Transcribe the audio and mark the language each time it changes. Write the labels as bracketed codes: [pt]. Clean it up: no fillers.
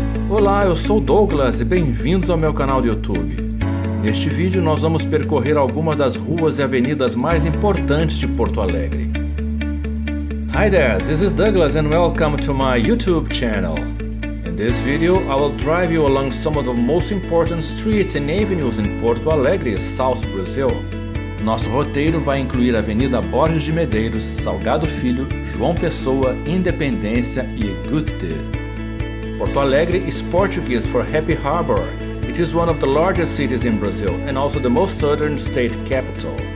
[pt] Olá, eu sou o Douglas e bem-vindos ao meu canal do YouTube. Neste vídeo nós vamos percorrer algumas das ruas e avenidas mais importantes de Porto Alegre. [en] Hi there, this is Douglas and welcome to my YouTube channel. In this video, I will drive you along some of the most important streets and avenues in Porto Alegre, South Brazil. [pt] Nosso roteiro vai incluir a Avenida Borges de Medeiros, Salgado Filho, João Pessoa, Independência e Goethe. [en] Porto Alegre is Portuguese for Happy Harbor. It is one of the largest cities in Brazil and also the most southern state capital.